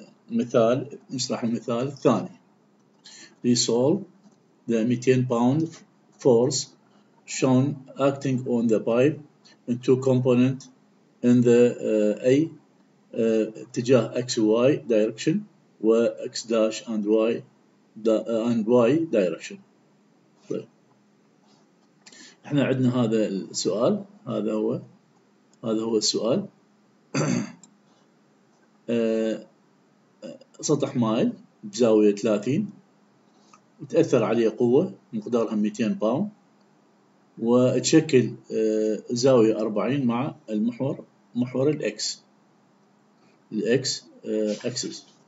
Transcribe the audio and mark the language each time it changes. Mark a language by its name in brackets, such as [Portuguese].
[Arabic] المثال نشرح المثال الثاني. [English] We solve the 200 pound force shown acting on the pipe in two component in the A [Arabic] اتجاه [English] XY direction و X dash and Y and Y direction. [Arabic] طيب. احنا عندنا هذا السؤال، هذا هو السؤال. سطح مائل بزاوية 30 تأثر عليه قوة مقدارها 200 باوند وتشكل زاوية 40 مع المحور، محور الاكس، الاكس اكسس.